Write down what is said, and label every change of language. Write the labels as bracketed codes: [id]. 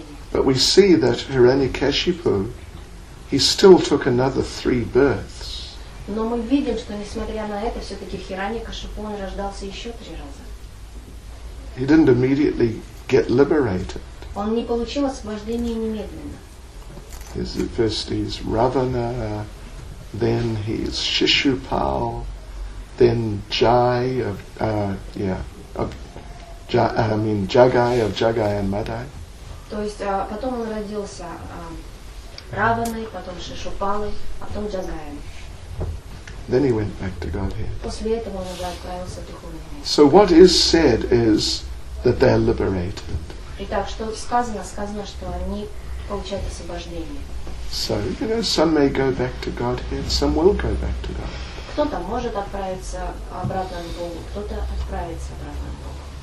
[en] But we see that Hiranyakashipu, he still took another 3 births. [ru] Но мы видим, что несмотря на это, все-таки Хиранья-Кашипу он рождался еще 3 раза. [en] He didn't immediately get liberated. [ru] Он не получил освобождение немедленно. [en] First he's Ravana, then he's Shishupal, then Jai of Jagai of Jagai and Madai. [ru] То есть потом он родился Раваной, потом Шишупалой, потом Джагаем. [en] Then he went back to Godhead. [ru] После этого он уже отправился в духовный мир. [en] So what is said is that they're liberated. [ru] Итак, что сказано? Сказано, что они получают освобождение. [en] So, you know, some may go back to Godhead, some will go back to God. [ru] Кто-то может отправиться обратно к Богу, кто-то отправится обратно к Богу.